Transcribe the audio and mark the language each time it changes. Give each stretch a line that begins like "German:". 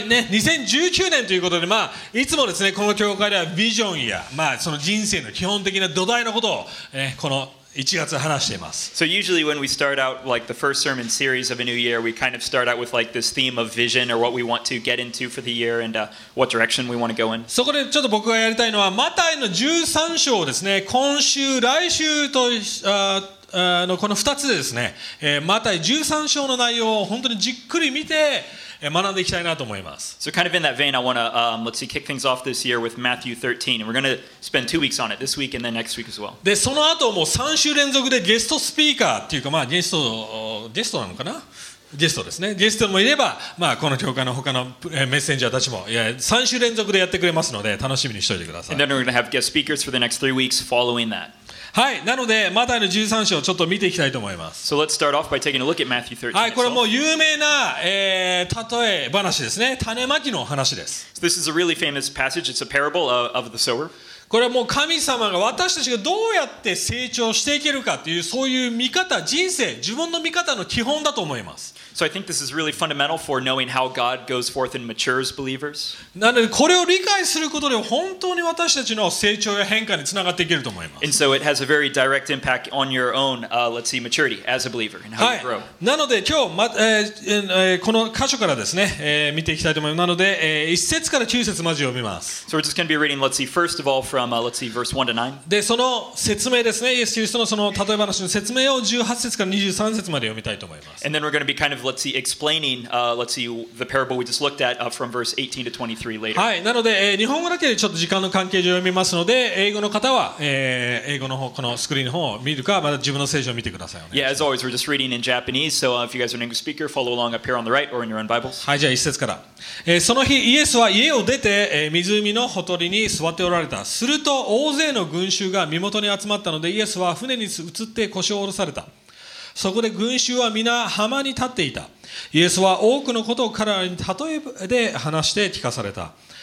Japanese: ね、2019年ということで、まあ、いつもですね、この教会ではビジョンや、まあ、その人生の基本的な土台のことを、この1月話しています。
English: So usually when we start out like the first sermon series of a new year, we kind of start out with like this theme of vision or what we want to get into for the year and what direction we want to go in.
Japanese: そこでちょっと僕がやりたいのは、マタイの13章をですね、今週、来週と、この2つですね、マタイ13章の内容を本当にじっくり見て、学んでいきたいなと思います。
English: So kind of in that vein, I want to, let's see, kick things off this year with Matthew 13. And we're going to spend 2 weeks on it, this week and then next week as well.
Japanese: で、その後もう3週連続でゲストスピーカーっていうか、まあゲストなのかな?ゲストですね。ゲストもいれば、まあこの教会の他のメッセンジャーたちも、いや、3週連続でやってくれますので、楽しみにしておいてください。
English: And then we're going to have guest speakers for the next 3 weeks following that.
Japanese: はい、なのでマタイの13章をちょっと見ていきたいと思います。
English: So let's start off by taking a look at Matthew 13.
Japanese: はい、これはもう有名な、例え話ですね。種まきの話です。
English: So、this is a really famous passage. It's a parable of the sower.
Japanese: これはもう神様が私たちがどうやって成長していけるかというそういう見方、人生、自分の見方の基本だと思います。
English: So I think this is really fundamental for knowing how God goes forth and matures believers.
Japanese: なのでこれを理解することで本当に私たちの成長や変化につながっていけると思います。
English: And so it has a very direct impact on your own, let's see, maturity as a believer and how you grow.
Japanese: はい。なので今日、この箇所からですね、見ていきたいと思います。なので、1節から9節まず読みます。
English: So we're just going to be reading, let's see, first of all from, let's see, verse 1 to 9.
Japanese: で、その説明ですね。イエス・キリストのその例え話の説明を18節から23節まで読みたいと思います。
English: And then we're going to be kind of let's see, explaining, let's see, the parable we just looked at from verse 18 to 23 later.
Japanese: はい、なので、日本語だけでちょっと時間の関係上読みますので、英語の方は、英語の方、このスクリーンの方を見るか、また自分の聖書を見てください。
English: Yeah, as always, we're just reading in Japanese, so if you guys are an English speaker, follow along up here on the right or in your own Bibles.
Japanese: はい、じゃあ一節から。その日、イエスは家を出て、湖のほとりに座っておられた。すると、大勢の群衆が身元に集まったので、イエスは船に移って腰を下ろされた。そこで群衆は皆浜に立っていた。イエスは多くのことを彼らに例えで話して聞かされた。